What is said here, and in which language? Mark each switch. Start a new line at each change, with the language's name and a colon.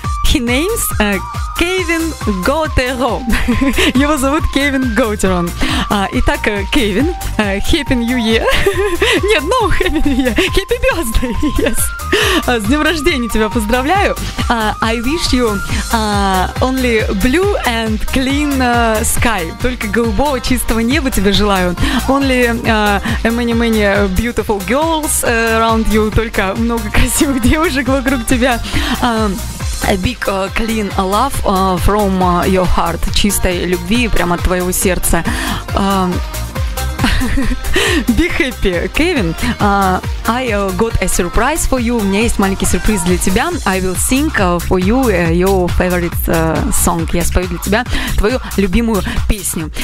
English: His name is Kevin Gouterona.
Russian: Его зовут Кевин Гоутерон. Итак,
English: Кевин, Happy New Year.
Russian: Нет,
English: no, Happy New Year. Happy Birthday, yes.
Russian: С днем рождения тебя поздравляю.
English: I wish you only blue and clean sky.
Russian: Только голубого чистого неба тебе желаю.
English: Only many beautiful girls around you.
Russian: Только много красивых девушек вокруг тебя.
English: A big clean love from your heart.
Russian: Чистой любви прямо от твоего сердца.
English: Be happy, Kevin. I got a surprise for you.
Russian: У меня есть маленький сюрприз для тебя.
English: I will sing for you your favorite song.
Russian: Я спою для тебя твою любимую песню.